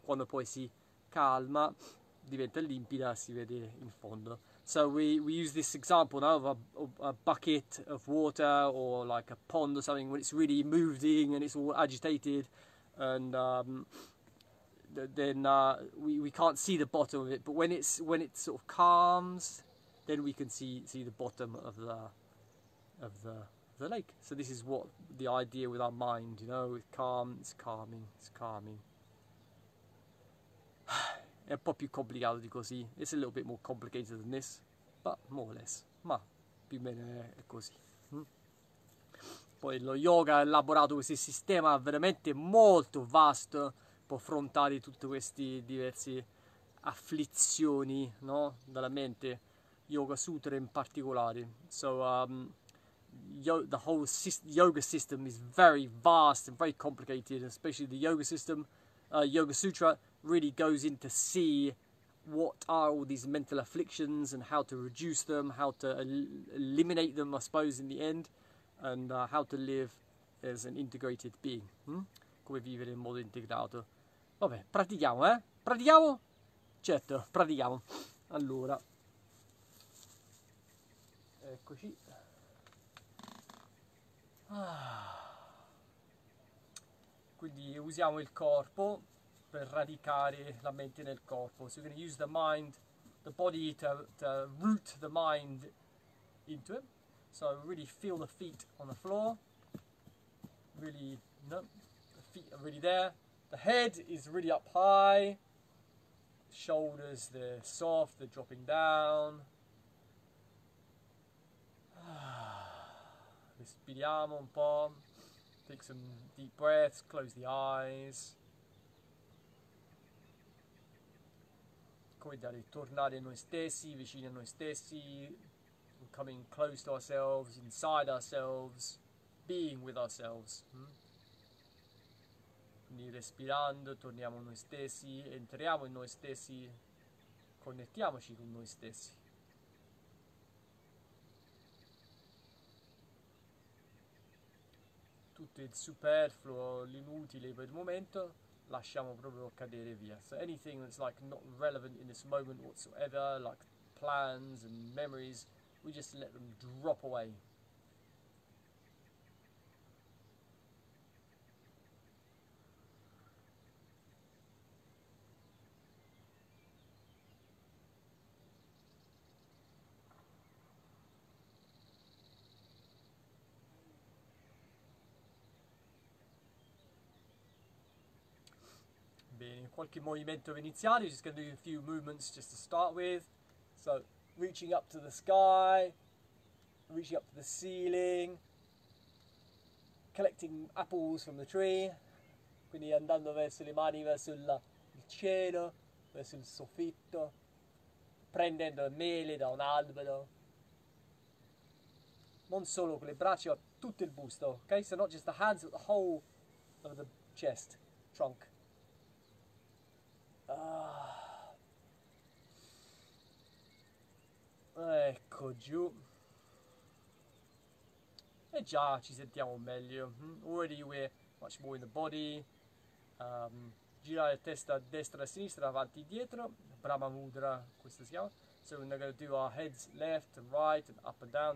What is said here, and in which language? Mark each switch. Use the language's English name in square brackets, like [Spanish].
[Italian] Quando poi si calma, diventa limpida, si vede in fondo. [English] So we use this example now of a bucket of water or like a pond or something when it's really moving and it's all agitated and then we can't see the bottom of it, but when it sort of calms, then we can see the bottom of the lake. So this is what the idea with our mind, you know, it calms, calming, it's calming. [Italian] È un po' più complicato di così. [English] It's a little bit more complicated than this, but more or less. [Italian] Ma più o meno è così. Poi lo yoga ha elaborato questo sistema veramente molto vasto. Affrontare tutte queste diverse afflizioni, no? Dalla mente, Yoga Sutra in particolare. [English] So, yo the whole syst yoga system is very vast and very complicated, especially the yoga system. Yoga Sutra really goes in to see what are all these mental afflictions and how to reduce them, how to eliminate them, I suppose, in the end, and how to live as an integrated being. [Italian] Come vivere in modo integrato. Vabbè, pratichiamo, eh? Pratichiamo? Certo, pratichiamo. Allora, eccoci. Quindi usiamo il corpo per radicare la mente nel corpo. [English] So we're going to use the mind, the body to root the mind into it. So really feel the feet on the floor. Really, no, the feet are really there. The head is really up high, shoulders they're soft, they're dropping down. [Italian] Respiriamo un po', [English] take some deep breaths, close the eyes. [Italian] Come dire, tornare a noi stessi, vicini a noi stessi, [English] coming close to ourselves, inside ourselves, being with ourselves. [Italian] Respirando, torniamo noi stessi, entriamo in noi stessi, connettiamoci con noi stessi. Tutto il superfluo, l'inutile per il momento, lasciamo proprio cadere via. [English] So anything that's like not relevant in this moment whatsoever, like plans and memories, we just let them drop away. [Italian] Qualche movimento iniziale, [English] just gonna do a few movements just to start with. So, reaching up to the sky, reaching up to the ceiling, collecting apples from the tree, [Italian] quindi andando verso le mani, verso il cielo, verso il soffitto, prendendo mele da un albero. Non solo con le braccia, ma tutto il busto, ok? [English] So not just the hands, but the whole of the chest, trunk. [Italian] Ecco giù. E già ci sentiamo meglio. [English] Already we're much more in the body. [Italian] Girare la testa a destra e a sinistra, avanti e dietro. Brahma Mudra, questo si chiama. [English] So we're gonna do our heads left and right and up and down.